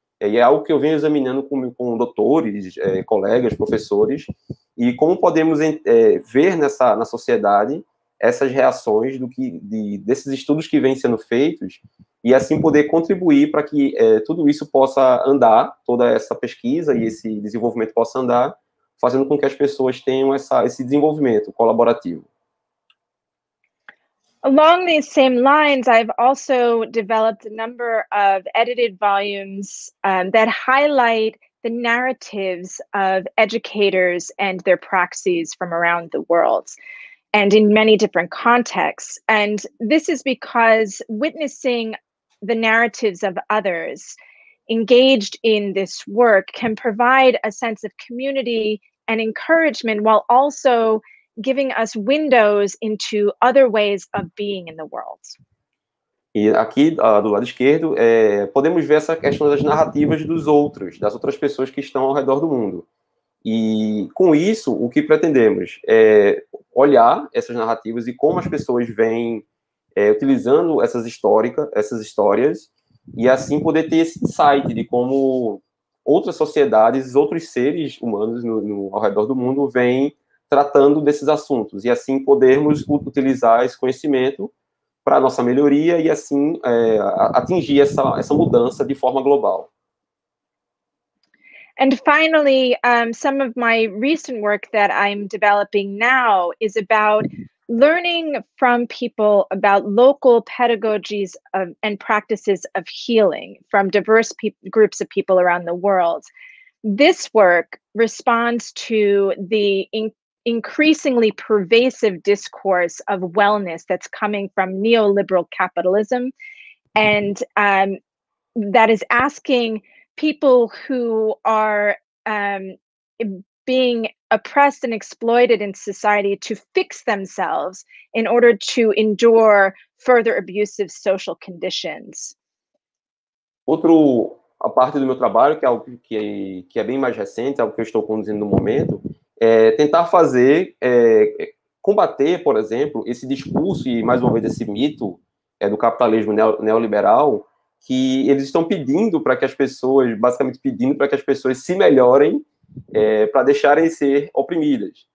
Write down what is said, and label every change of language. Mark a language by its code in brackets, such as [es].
[pt] E é algo que eu venho examinando com doutores, colegas, professores, e como podemos ver na sociedade essas reações desses estudos que vêm sendo feitos, e assim poder contribuir para que tudo isso possa andar, toda essa pesquisa e esse desenvolvimento possa andar, fazendo com que as pessoas tenham esse desenvolvimento colaborativo. [en] Along these same lines, I've also developed a number of edited volumes that highlight the narratives of educators and their proxies from around the world and in many different contexts. And this is because witnessing the narratives of others engaged in this work can provide a sense of community and encouragement while also giving us windows into other ways of being in the world. [pt] E aqui, do lado esquerdo, podemos ver essa questão das narrativas dos outros, das outras pessoas que estão ao redor do mundo. E, com isso, o que pretendemos é olhar essas narrativas e como as pessoas vêm utilizando essas histórias, e assim poder ter esse insight de como outras sociedades, outros seres humanos ao redor do mundo vêm tratando desses assuntos, e assim podermos utilizar esse conhecimento para nossa melhoria e assim atingir essa mudança de forma global. [en] And finally, some of my recent work that I'm developing now is about learning from people about local pedagogies and practices of healing from diverse groups of people around the world. This work responds to the increasingly pervasive discourse of wellness that's coming from neoliberal capitalism, and that is asking people who are being oppressed and exploited in society to fix themselves in order to endure further abusive social conditions. [pt] Outra parte do meu trabalho, que é algo que é bem mais recente, algo que eu estou conduzindo no momento, tentar fazer, combater, por exemplo, esse discurso e, mais uma vez, esse mito do capitalismo neoliberal, que eles estão pedindo para que as pessoas, basicamente pedindo para que as pessoas se melhorem para deixarem ser oprimidas.